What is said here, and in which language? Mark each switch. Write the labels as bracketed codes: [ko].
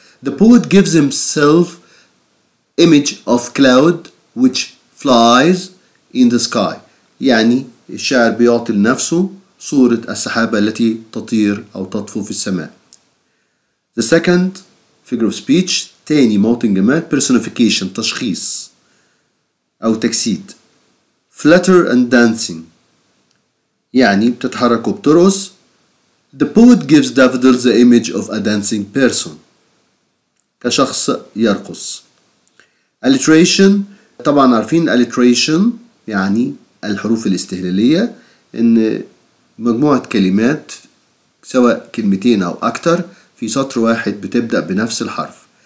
[en] The poet gives himself image of cloud which flies in the sky. [ar] يعني الشاعر بيعطي لنفسه صورة السحابة التي تطير أو تطفو في السماء. [en] The second figure of speech. [ar] تاني موطن جمال. [en] Personification. [ar] تشخيص أو تجسيد. [en] Flutter and dancing. [ar] يعني بتتحرك وبترقص. [en] The poet gives daffodils the image of a dancing person. [ar] كشخص يرقص. Alliteration. طبعا عارفين alliteration يعني الحروف الاستهلالية, ان مجموعة كلمات سواء كلمتين او اكتر في سطر واحد بتبدأ بنفس الحرف.